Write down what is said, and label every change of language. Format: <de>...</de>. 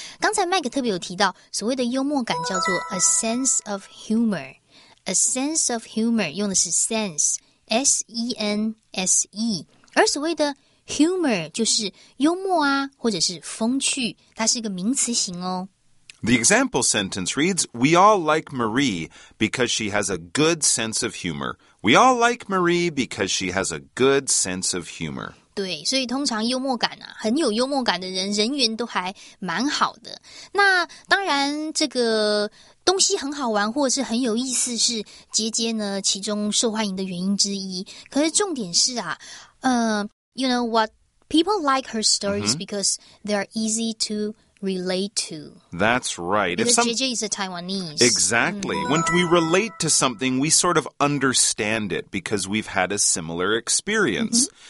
<zh>刚才麦克特别有提到所谓的幽默感叫做 a sense of humor。 A sense of humor 用的是 sense， S-E-N-S-E。而所谓的 humor 就是幽默啊或者是风趣，它是一个名词型哦。</zh> <en>The example sentence reads, We all like Marie because she has a good sense of humor. We all like Marie because she has a good sense of humor.</en> <zh>对，所以通常幽默感啊，很有幽默感的人，人缘都还蛮好的。那当然这个东西很好玩或者是很有意思是杰杰呢其中受欢迎的原因之一。</zh> <en>可是重点是啊 you know what, people like her stories because they're easy to... relate to. That's right. Because JJ is a Taiwanese. Exactly. When we relate to something, we sort of understand it because we've had a similar experience.</en>